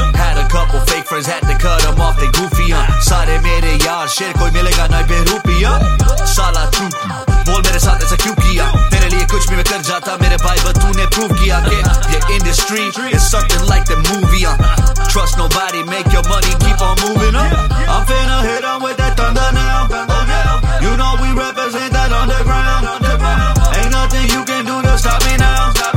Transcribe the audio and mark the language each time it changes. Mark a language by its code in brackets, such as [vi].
[en] Had a couple fake friends, had to cut them off, they goofy. [hi] सारे मेरे यार शेर कोई मिलेगा ना बे रुपिया, साला चूतिया बोल मेरे साथ ऐसा क्यों किया। तेरे लिए कुछ भी मैं कर जाता मेरे भाई, बट तूने प्रूव किया कि ये industry [en] is something like the movie. Trust nobody, make your money, keep on moving up. I'm finna hit them with that thunder now. You know we represent that underground. Ain't nothing you can do to stop me now.